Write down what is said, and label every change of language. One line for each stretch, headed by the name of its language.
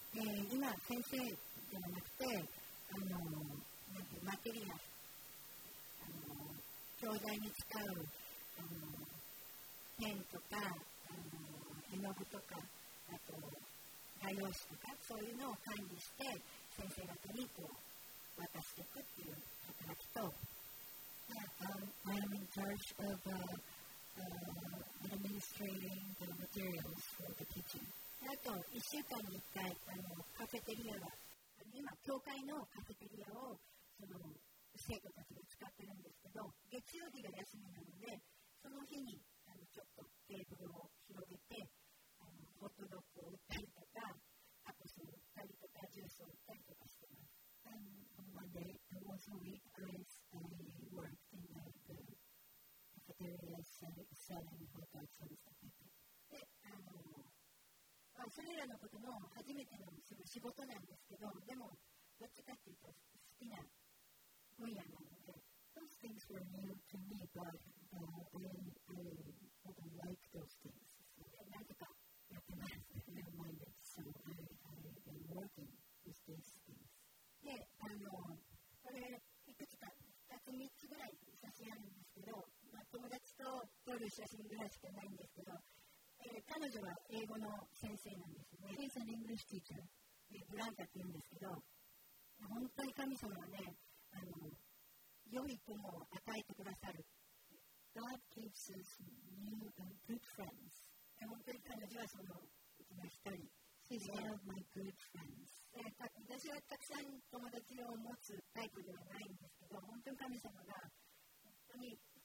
Japanese: 今先生ではなくて、なんてマテリア、教材に使う、ペンとか、絵の具とか、あと画用紙とか、そういうのを管理して先生方にこう渡していくっていう働きと、
English: I am in charge of administering the materials for the kitchen.
Japanese: あと1週間に1回カフェテリアが、今教会のカフェテリアを生徒たちが使ってるんですけど、月曜日が休みなので、その日にちょっとテーブルを広げて、ホットドッグを売ったりとか、タコスを売ったりとか、ジュースを売ったりとかしてます。
English: And on Monday, there was a week grace day work
Japanese: それらのことも初めての仕事なんですけど、でもどっちかっていうと好きな分野なので、
English: Those things were new to me, but I like those things.
Japanese: で、なぜかやってます。
English: I've been working with these things.
Japanese: で、これいくつか、2つ3つぐらい写真あるんですけど、友達と撮る写真ぐらいしかないんですけど、彼女は英語の先生なんですね。
English: She's an English teacher.
Japanese: ブランカって言うんですけど、本当に神様はね、良い友を与えてくださる。
English: God gives us new and good friends.
Japanese: 本当に彼女はそのうちの一人。
English: She's one of my good friends.
Japanese: 私はたくさん友達を持つタイプではないんですけど、本当に神様が本当に